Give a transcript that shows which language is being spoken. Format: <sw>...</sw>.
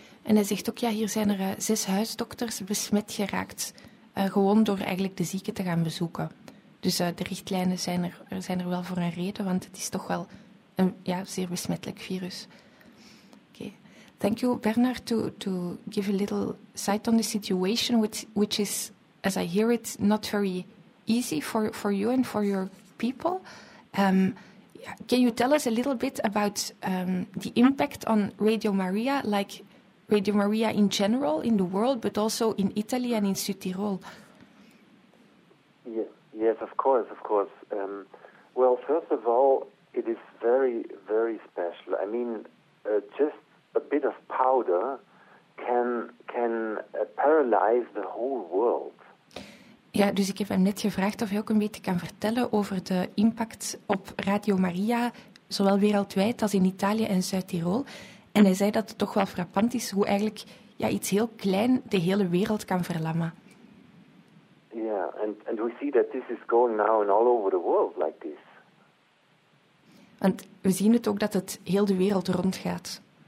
<nl>En hij zegt ook, ja, hier zijn er 6 huisdokters besmet geraakt, gewoon door eigenlijk de zieken te gaan bezoeken. Dus de richtlijnen zijn er wel voor een reden, want het is toch wel een ja, zeer besmettelijk virus.</nl> <en>Thank you, Bernard, to give a little sight on the situation, which is, as I hear it, not very easy for you and for your people. Can you tell us a little bit about the impact on Radio Maria, like Radio Maria in general in the world, but also in Italy and in Südtirol? Yes, of course. Well, first of all, it is very, very special. I mean, just a bit of powder can paralyze the whole world.</en> <nl>Ja, dus ik heb hem net gevraagd of hij ook een beetje kan vertellen over de impact op Radio Maria, zowel wereldwijd als in Italië en Zuid-Tirol. En hij zei dat het toch wel frappant is hoe eigenlijk ja, iets heel klein de hele wereld kan verlammen.</nl> <en>Ja, and we see that this is going now in all over the world like this.</en> <nl>Want we zien het ook dat het heel de wereld rondgaat.</nl>